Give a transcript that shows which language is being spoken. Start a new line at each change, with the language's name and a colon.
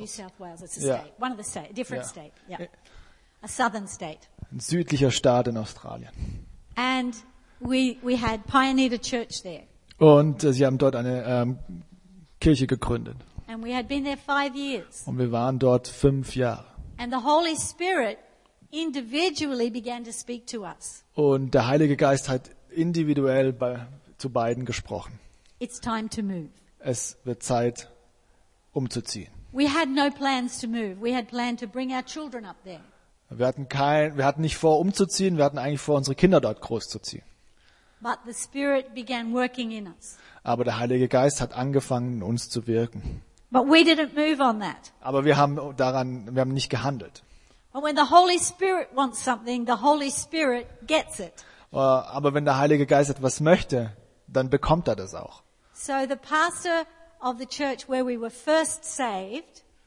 English: New South Wales, it's a state. Yeah. One of the states, a different state. Yeah. A southern state.
German: Ein südlicher Staat in Australien.
English: And we had pioneered a church there.
German: Und sie haben dort eine Kirche gegründet.
English: And we had been there 5 years.
German: Und wir waren dort 5 Jahre.
English: And the Holy Spirit individually began to speak to us.
German: Und der Heilige Geist hat individuell zu beiden gesprochen.
English: It's time to move.
German: Es wird Zeit, umzuziehen.
English: We had no plans to move. We had planned to bring our children up there.
German: Wir hatten nicht vor, umzuziehen. Wir hatten eigentlich vor, unsere Kinder dort großzuziehen.
English: But the Spirit began working in us.
German: Aber der Heilige Geist hat angefangen, in uns zu wirken.
English: But we didn't move on that.
German: Aber wir haben nicht gehandelt.
English: But when the Holy Spirit wants something, the Holy Spirit gets it.
German: Aber wenn der Heilige Geist etwas möchte, dann bekommt er das auch.
English: So the pastor of the church where we were first saved.